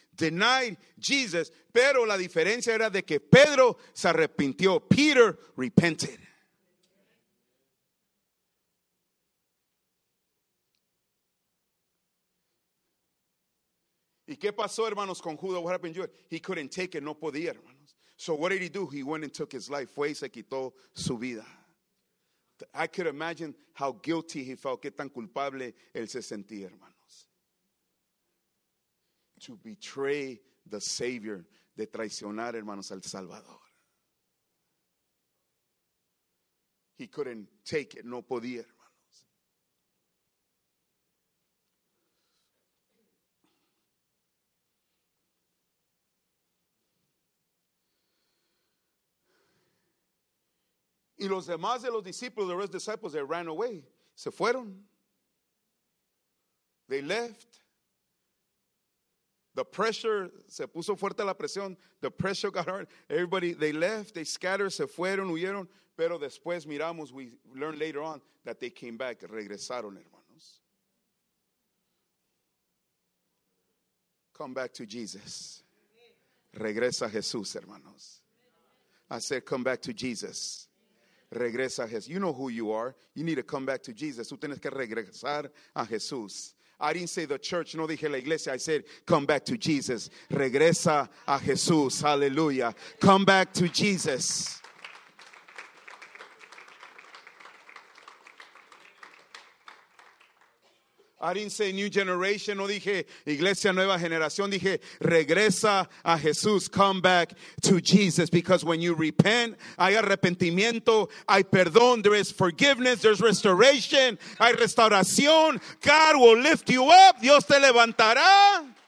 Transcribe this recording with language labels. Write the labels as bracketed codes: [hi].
[en] Denied Jesus. [es] Pero la diferencia era de que Pedro se arrepintió. [en] Peter repented. [es] ¿Y qué pasó, hermanos, con Judas? [en] What happened to Judas? He couldn't take it. [es] No podía, hermanos. [en] So what did he do? He went and took his life. [es] Fue y se quitó su vida. [en] I could imagine how guilty he felt. [es] Qué tan culpable él se sentía, hermanos. [en] To betray the Savior. [es] De traicionar, hermanos, al Salvador. [en] He couldn't take it. [es] No podía. Y los demás de los discípulos, [en] the rest of the disciples, they ran away. [es] Se fueron. [en] They left. The pressure, [es] se puso fuerte la presión. [en] The pressure got hard. Everybody, they left, they scattered, [es] se fueron, huyeron. Pero después miramos, [en] we learned later on, that they came back, [es] regresaron, hermanos. [en] Come back to Jesus. [es] Regresa Jesús, hermanos. [en] I said, come back to Jesus. [es] Regresa a Jesús. [en] You know who you are. You need to come back to Jesus. [es] Tú tienes que regresar a Jesús. [en] I didn't say the church. [es] No dije la iglesia. [en] I said, come back to Jesus. [es] Regresa a Jesús. [en] Hallelujah. Come back to Jesus. I didn't say new generation. [es] No dije iglesia nueva generación. Dije regresa a Jesús. [en] Come back to Jesus. Because when you repent, [es] hay arrepentimiento, hay perdón. [en] There is forgiveness. There's restoration. [es] Hay restauración. [en] God will lift you up. [es] Dios te levantará.